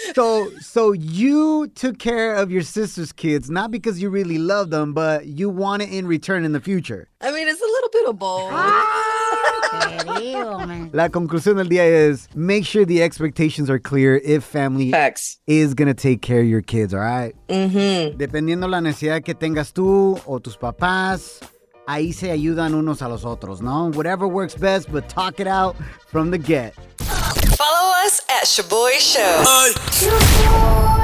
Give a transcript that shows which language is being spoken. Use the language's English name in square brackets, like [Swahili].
[English] So you took care of your sister's kids, not because you really love them, but you want it in return in the future. I mean, it's a little bit of both. [Spanish] La conclusión del día [English] is, make sure the expectations are clear if family is going to take care of your kids, all right? Mm-hmm. [Spanish] Dependiendo la necesidad que tengas tú o tus papás, ahí se ayudan unos a los otros, ¿no? [English] Whatever works best, but talk it out from the get. Follow us at Shaboy Show.